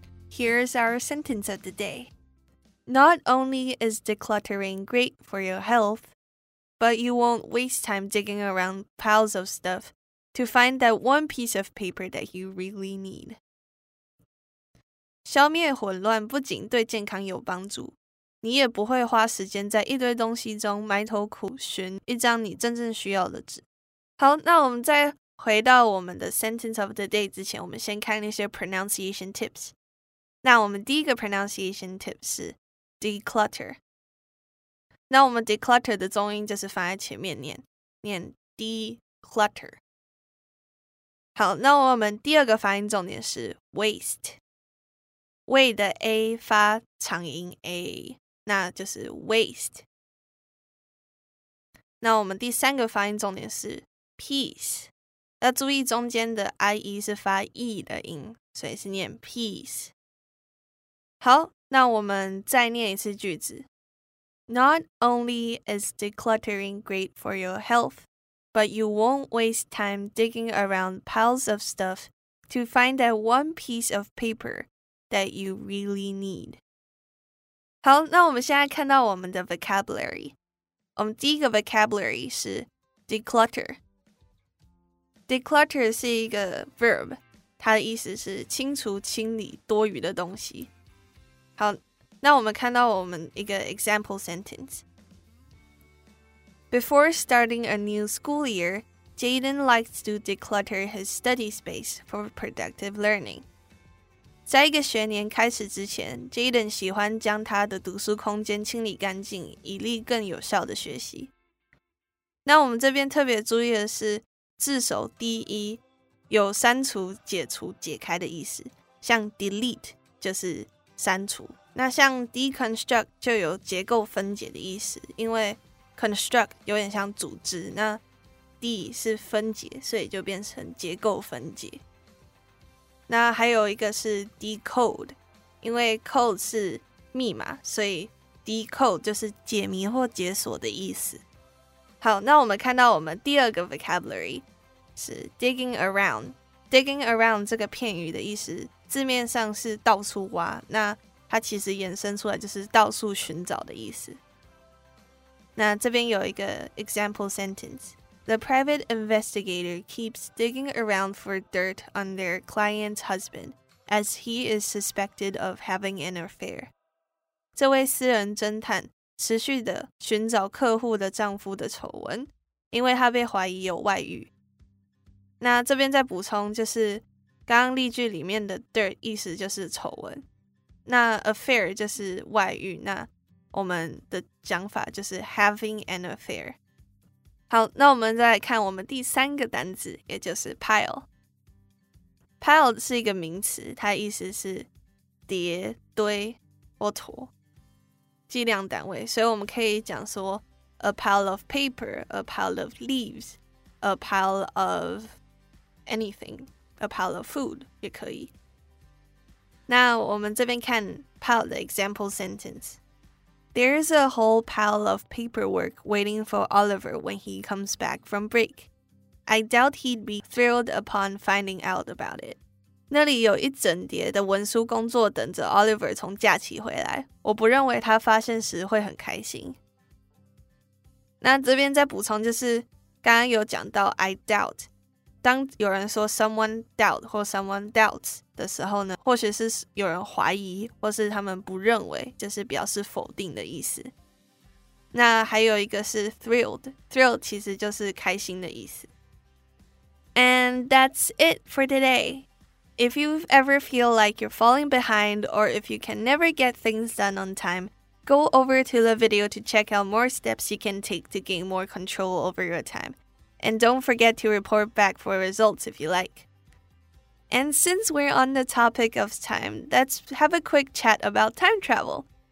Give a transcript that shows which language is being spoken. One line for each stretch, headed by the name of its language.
English: Here's our sentence of the day. Not only is decluttering great for your health, but you won't waste time digging around piles of stuff to find that one piece of paper that you really need.
Chinese: 消灭混乱不仅对健康有帮助，你也不会花时间在一堆东西中埋头苦寻一张你真正需要的纸。好，那我们再回到我们的 sentence of the day 之前，我们先看那些 pronunciation tips。那我们第一个 pronunciation tip 是 declutter。那我们 declutter 的中音就是放在前面念，念 declutter。好，那我们第二个发音重点是 waste， 胃的 A 发长音 A， 那就是 waste。那我们第三个发音重点是 peace， 要注意中间的 IE 是发 E 的音，所以是念 peace。好，那我们再念一次句子
English: ：Not only is decluttering great for your health。 But you won't waste time digging around piles of stuff to find that one piece of paper that you really need.
Chinese: 好，那我们现在看到我们的 vocabulary。我们第一个 vocabulary 是 declutter。 Declutter 是一个 verb， 它的意思是清除、清理多余的东西。好，那我们看到我们一个 example sentence。
English: Before starting a new school year, Jaden likes to declutter his study space for productive learning.
Chinese: 在一个学年开始之前， Jaden 喜欢将他的读书空间清理干净，以利更有效的学习。那我们这边特别注意的是，字首 de 有删除、解除、解开的意思，像 delete 就是删除。那像 deconstruct 就有结构分解的意思，因为construct 有点像组织，那 D 是分解，所以就变成结构分解。那还有一个是 decode， 因为 code 是密码，所以 decode 就是解谜或解锁的意思。好，那我们看到我们第二个 vocabulary 是 digging around。 digging around 这个片语的意思字面上是到处挖，那它其实衍生出来就是到处寻找的意思。那这边有一个 example sentence.
English: The private investigator keeps digging around for dirt on their client's husband as he is suspected of having an affair.
Chinese: 这位私人侦探持续地寻找客户的丈夫的丑闻，因为他被怀疑有外遇。那这边再补充，就是刚刚例句里面的 dirt 意思就是丑闻，那 affair 就是外遇，那我们的讲法就是 having an affair。好，那我们再来看我们第三个单字，也就是 pile。 pile 是一个名词，它意思是叠、堆或坨，计量单位，所以我们可以讲说
English: a pile of paper, a pile of leaves, a pile of anything, a pile of food
Chinese: 也可以。那我们这边看
English: pile 的 example sentenceThere's a whole pile of paperwork waiting for Oliver when he comes back from break. I doubt he'd be thrilled upon finding out about it.
Chinese: 那里有一整叠的文书工作等着 Oliver 从假期回来，我不认为他发现时会很开心。那这边再补充，就是刚刚有讲到 I doubt，当有人说 someone doubt 或 someone doubts 的时候呢，或许是有人怀疑或是他们不认为，就是表示否定的意思。那还有一个是 thrilled， thrilled 其实就是开心的意思。
English: And that's it for today. If you ever feel like you're falling behind or if you can never get things done on time, go over to the video to check out more steps you can take to gain more control over your time. And don't forget to report back for results if you like. And since we're on the topic of time, let's have a quick chat about time travel.